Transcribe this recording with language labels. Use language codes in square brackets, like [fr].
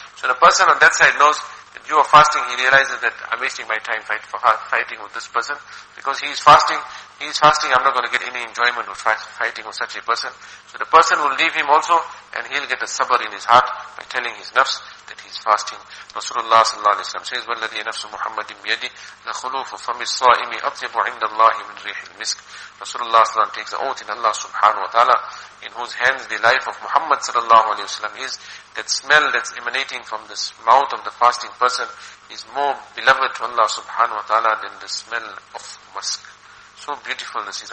[en] So the person on that side knows that you are fasting, he realizes that I'm wasting my time fighting with this person. Because he is fasting, I'm not going to get any enjoyment with fighting with such a person. So the person will leave him also, and he'll get a sabr in his heart by telling his nafs that he's fasting. [ar] Rasulullah sallallahu alayhi wa sallam says, وَالَّذِي نَفْسُ مُحَمَّدٍ بِيَدِي لَخُلُوفُ فَمِ الصَّائِمِ أَطْيَبُ عِنْدَ اللَّهِ مِنْ رِيحِ الْمِسْكِ. [en] Rasulullah sallallahu alayhi wa sallam takes the oath in Allah subhanahu wa ta'ala, in whose hands the life of Muhammad sallallahu alayhi wa sallam is, that smell that's emanating from the mouth of the fasting person is more beloved to Allah subhanahu wa ta'ala than the smell of musk. So beautiful this is.